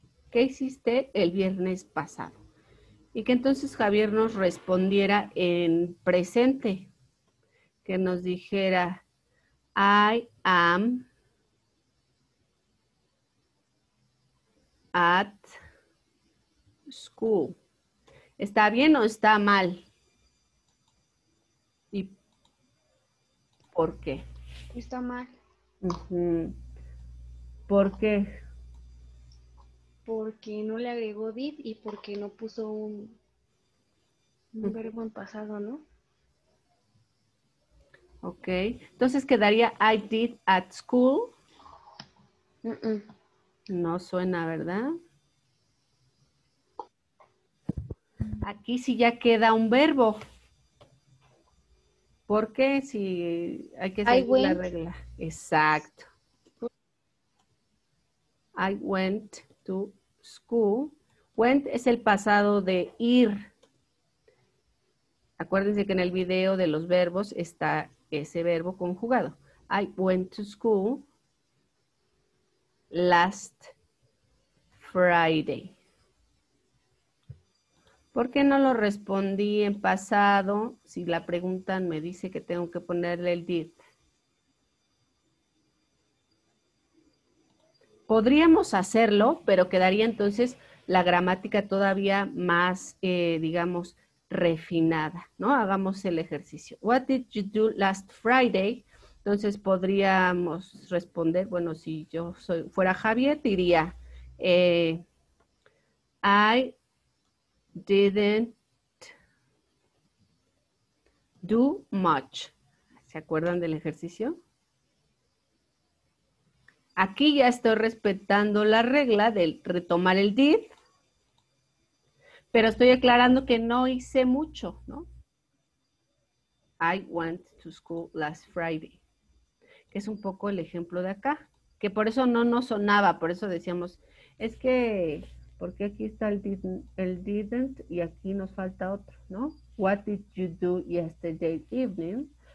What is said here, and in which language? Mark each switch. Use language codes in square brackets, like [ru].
[es] ¿Qué hiciste el viernes pasado? Y que entonces Javier nos respondiera en presente. Que nos dijera, [en] I am at school. [es] ¿Está bien o está mal? ¿Y por qué? Está mal. ¿Por qué? Porque no le agregó did y porque no puso un verbo en pasado, ¿no? Ok, entonces quedaría [en] I did at school. [es] No suena, ¿verdad? Aquí sí ya queda un verbo. ¿Por qué? Si hay que seguir la regla. Exacto. [en] I went to school. [es] Went es el pasado de ir. Acuérdense que en el video de los verbos está ese verbo conjugado. [en] I went to school last Friday. [es] ¿Por qué no lo respondí en pasado? Si la pregunta me dice que tengo que ponerle el did. Podríamos hacerlo, pero quedaría entonces la gramática todavía más, digamos, refinada, ¿no? Hagamos el ejercicio. [en] What did you do last Friday? [es] Entonces podríamos responder, bueno, si yo soy, fuera Javier, diría, [en] I didn't do much. [es] ¿Se acuerdan del ejercicio? Aquí ya estoy respetando la regla del retomar el did, pero estoy aclarando que no hice mucho, ¿no? [en] I went to school last Friday. [es] Es un poco el ejemplo de acá, que por eso no nos sonaba, por eso decíamos, es que, ¿por qué aquí está el didn't y aquí nos falta otro, ¿no? [en] What did you do yesterday evening?